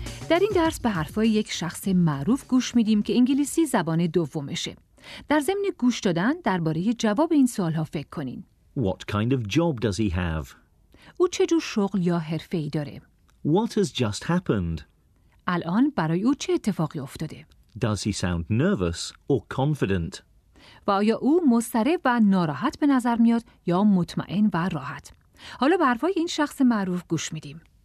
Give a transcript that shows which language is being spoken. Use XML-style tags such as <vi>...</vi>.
<fa>در این درس به حرفای یک شخص معروف گوش میدیم که انگلیسی زبان دومشه. در ضمن گوش دادن درباره جواب این سوال ها فکر کنین.</fa> <en>What kind of job does he have?</en> <fa>او چه جور شغل یا حرفه ای داره؟</fa> <en>What has just happened?</en> <fa>الان برای او چه اتفاقی افتاده؟</fa> <en>Does he sound nervous or confident?</en> <fa>و آیا او مضطرب و ناراحت به نظر میاد یا مطمئن و راحت؟ حالا به حرفای این شخص معروف گوش میدیم.</fa>